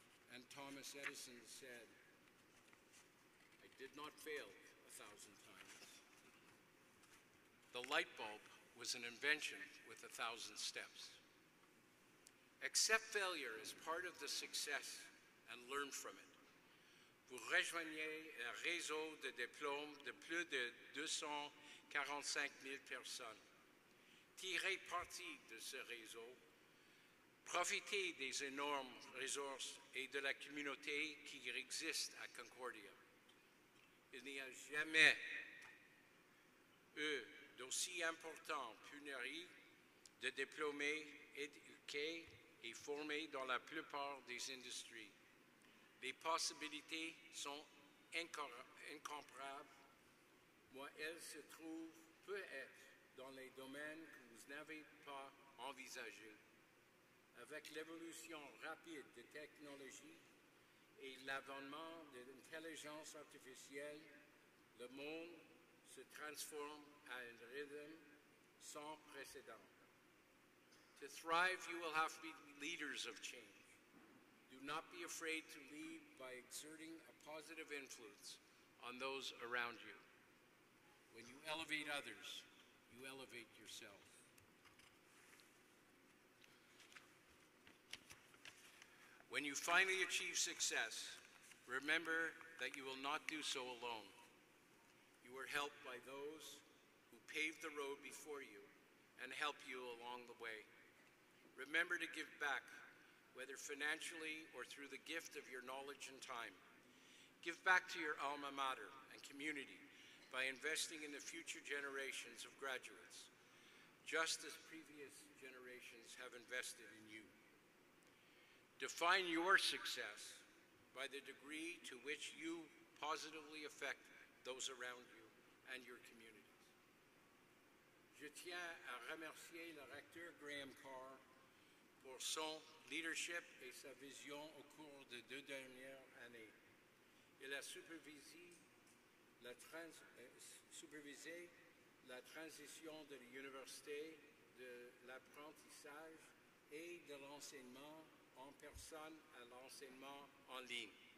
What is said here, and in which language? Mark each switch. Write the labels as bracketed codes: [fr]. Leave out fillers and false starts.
[en] And Thomas Edison said, "I did not fail 1,000 times." The light bulb was an invention with 1,000 steps. Accept failure as part of the success and learn from it. [fr] Vous rejoignez un réseau de diplômes de plus de 245 000 personnes. Tirez parti de ce réseau. Profitez des énormes ressources et de la communauté qui existe à Concordia. Il n'y a jamais eu d'aussi important pénurie de diplômés éduqués et formés dans la plupart des industries. Les possibilités sont incomparables. Moi, elles se trouvent peut-être dans les domaines que vous n'avez pas envisagés. Avec l'évolution rapide des technologies et l'avènement de l'intelligence artificielle, le monde se transforme à un rythme sans précédent. [en] To thrive, you will have to be leaders of change. Do not be afraid to lead by exerting a positive influence on those around you. When you elevate others, you elevate yourself. When you finally achieve success, remember that you will not do so alone. You are helped by those who paved the road before you and help you along the way. Remember to give back, whether financially or through the gift of your knowledge and time. Give back to your alma mater and community by investing in the future generations of graduates, just as previous generations have invested in you. Define your success by the degree to which you positively affect those around you and your communities. [fr] Je tiens à remercier le recteur Graham Carr pour son leadership et sa vision au cours des deux dernières années. Il a supervisé la transition de l'université, de l'apprentissage et de l'enseignement en personne à l'enseignement en ligne.